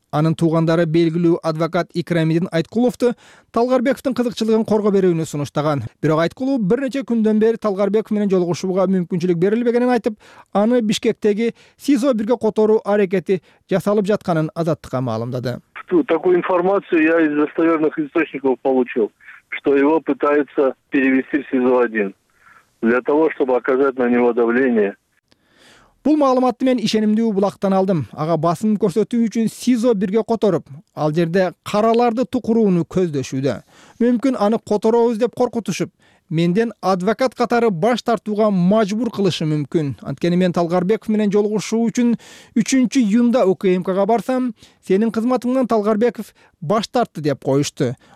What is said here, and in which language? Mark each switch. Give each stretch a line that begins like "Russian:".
Kyrgyz: Анын туугандары белгилүү адвокат Икрамидин Айткуловду Талгарбековдун кызыкчылыгын корго берүүнү сунуштаган. Бирок Айткулов бир нече күндөн бери Талгарбеков менен жолугушууга мүмкүнчүлүк берилбегенин айтып, аны Бишкектеги СИЗО 1-ге которуу аракети жасалып жатканын Азаттыкка маалымдады.
Russian: Такую информацию я из достоверных источников получил, что его пытаются перевести в СИЗО 1 для того, чтобы оказать на него давление.
Kyrgyz: Бул маалыматты мен ишенимдүү булактан алдым. Ага басым көрсөтүү үчүн СИЗО 1-ге которуп, ал жерде караларды тукурууну көздөшүүдө. Мүмкүн аны которобуз деп коркутушуп, менден адвокат катары баш тартууга мажбур кылышы мүмкүн. Анткени мен Талгарбеков менен жолугушуу үчүн 3-июнда УКМКга барсам, сенин кызматыңдан Талгарбеков баш тартты деп коюшту.